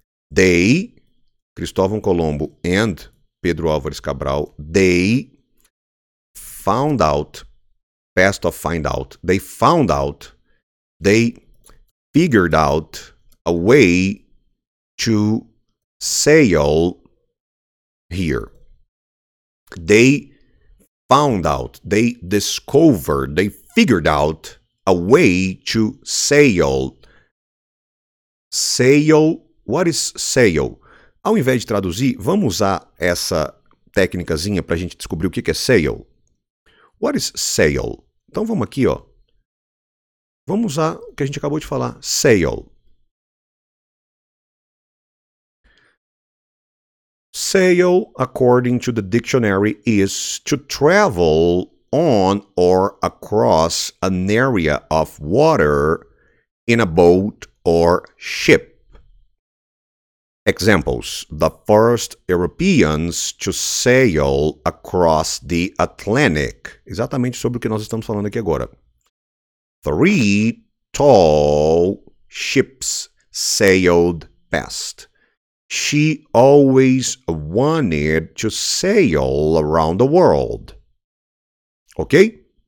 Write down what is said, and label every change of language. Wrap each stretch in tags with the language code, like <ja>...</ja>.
<en>They, Cristóvão Colombo and Pedro Álvares Cabral, they found out, past of find out, they found out, they figured out a way to sail here. They found out, they discovered, they figured out a way to sail. Sail, what is sail?</en> <pt>Ao invés de traduzir, vamos usar essa técnicazinha para a gente descobrir o que é sail.</pt> <en>What is sail?</en> <pt>Então vamos aqui, ó. Vamos usar o que a gente acabou de falar, sail.</pt> <en>Sail, according to the dictionary, is to travel on or across an area of water in a boat or ship. Examples: the first Europeans to sail across the Atlantic.</en> <pt>Exatamente sobre o que nós estamos falando aqui agora.</pt> <en>Three tall ships sailed past. She always wanted to sail around the world. Ok?</en>